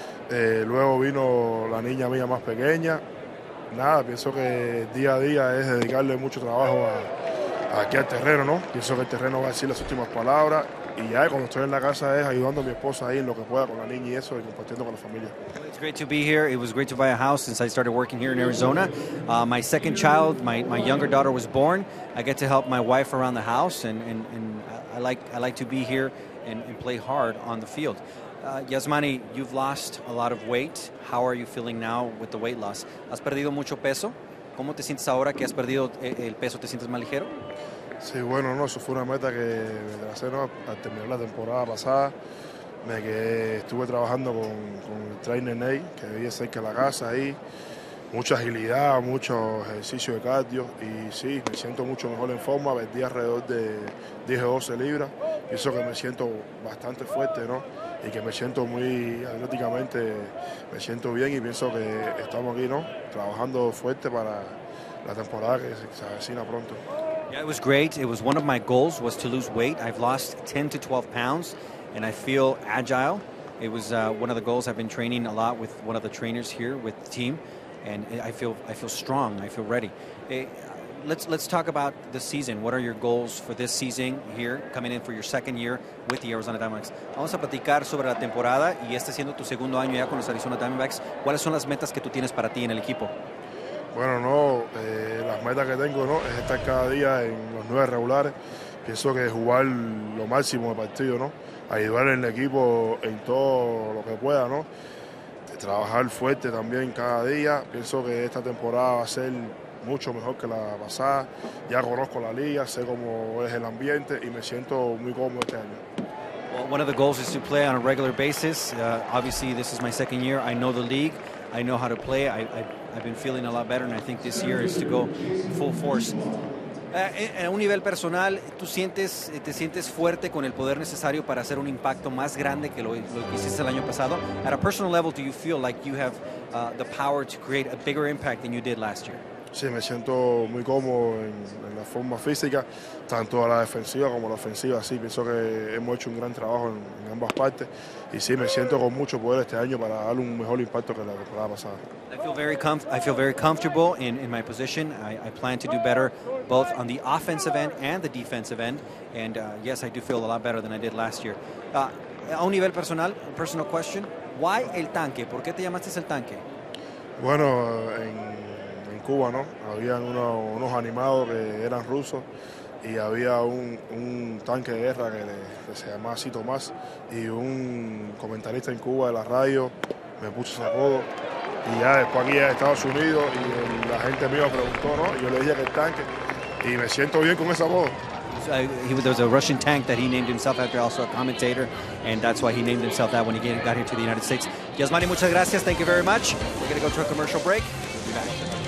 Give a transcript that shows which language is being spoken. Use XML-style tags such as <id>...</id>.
<es>Luego vino la niña mía más pequeña. Nada, pienso que día a día es dedicarle mucho trabajo aquí al terreno, ¿no? Pienso que el terreno va a decir las últimas palabras. Y ya cuando estoy en la casa es ayudando a mi esposa ahí en lo que pueda con la niña y eso, y compartiendo con la familia.</es> <en>It's great to be here. It was great to buy a house since I started working here in Arizona. My second child, my younger daughter was born. I get to help my wife around the house, and I like to be here and play hard on the field. Yasmani, you've lost a lot of weight. How are you feeling now with the weight loss?</en> <es>¿Has perdido mucho peso? ¿Cómo te sientes ahora que has perdido el peso? ¿Te sientes más ligero? Sí, bueno, no, eso fue una meta que me tracé, ¿no? Al terminar la temporada pasada, me quedé, estuve trabajando con el trainer Ney, que vivía cerca de la casa ahí. Mucha agilidad, mucho ejercicio de cardio, y sí, me siento mucho mejor en forma. Perdí alrededor de 10 o 12 libras, y eso que me siento bastante fuerte, ¿no? Y que me siento muy atléticamente, me siento bien, y pienso que estamos aquí, ¿no? Trabajando fuerte para la temporada que se avecina pronto.</es> <en>Yeah, it was great. It was one of my goals was to lose weight. I've lost 10 to 12 pounds, and I feel agile. It was one of the goals. I've been training a lot with one of the trainers here with the team, and I feel strong. I feel ready. Let's talk about the season. What are your goals for this season here, coming in for your second year with the Arizona Diamondbacks?</en> <es>Vamos a platicar sobre la temporada, y este siendo tu segundo año ya con los Arizona Diamondbacks. ¿Cuáles son las metas que tú tienes para ti en el equipo? Bueno, no, las metas que tengo, ¿no?, es estar cada día en los 9 regulares. Pienso que es jugar lo máximo de partido, ¿no? Ayudar en el equipo en todo lo que pueda, ¿no? Trabajar fuerte también cada día. Pienso que esta temporada va a ser mucho mejor que la pasada. Ya conozco la liga, sé cómo es el ambiente y me siento muy cómodo este año.</es> <en>Well, one of the goals is to play on a regular basis. Obviously, this is my second year. I know the league. I know how to play. I've been feeling a lot better, and I think this year is to go full force.</en> <es>A un nivel personal, ¿tú sientes, te sientes fuerte con el poder necesario para hacer un impacto más grande que lo que hiciste el año pasado?</es> <en>At a personal level, do you feel like you have the power to create a bigger impact than you did last year?</en> <es>Sí, me siento muy cómodo en la forma física, tanto a la defensiva como a la ofensiva. Sí, pienso que hemos hecho un gran trabajo en ambas partes. Y sí, me siento con mucho poder este año para dar un mejor impacto que la temporada pasada.</es> <en>I feel very comfortable in my position. I plan to do better both on the offensive end and the defensive end. And yes, I do feel a lot better than I did last year.</en> <es>A un nivel personal, personal question, why El Tanque? ¿Por qué te llamaste El Tanque? Bueno, en Cuba, ¿no? Habían unos animados que eran rusos, y había un tanque de guerra que se llamaba así Tomás, y un comentarista en Cuba de la radio me puso ese apodo. Y ya después aquí a Estados Unidos, y la gente mía preguntó, ¿no? Y yo le dije que El Tanque, y me siento bien con ese apodo.</es> <en>There was a Russian tank that he named himself after, also a commentator, and that's why he named himself that when he got here to the United States. Yasmani, muchas gracias. Thank you very much. We're going to go to a commercial break. We'll be back.</en>